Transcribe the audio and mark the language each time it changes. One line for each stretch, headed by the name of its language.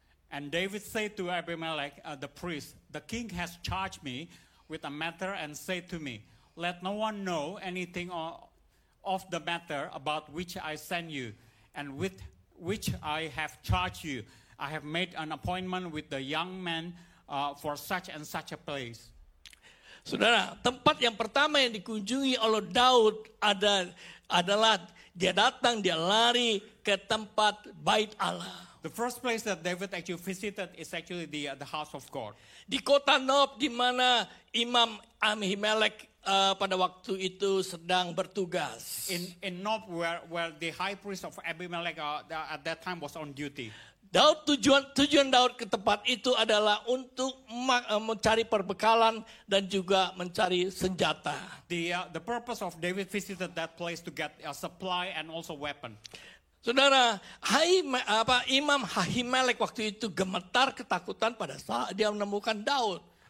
English: And David said to Abimelech, the priest, "The king has charged me with a matter and said to me, 'Let no one know anything of the matter about which I send you, and with which I have charged you. I have made an appointment with the young man for such and such a place.'"
Indonesian: Saudara, tempat yang pertama yang dikunjungi oleh Daud adalah dia datang, dia lari ke tempat Bait Allah.
English: The first place that David actually visited is actually the house of God.
Indonesian: Di kota Nob, di mana Imam Ahimelech pada waktu itu sedang bertugas.
English: In Nob, where the high priest of Abimelech at that time was on duty.
Indonesian: Daud, tujuan Daud ke tempat itu adalah untuk mencari perbekalan dan juga mencari senjata.
English: The purpose of David visited that place to get a supply and also weapon.
Indonesian: Saudara, Imam Ahimelech waktu itu gemetar ketakutan pada saat dia menemukan Daud.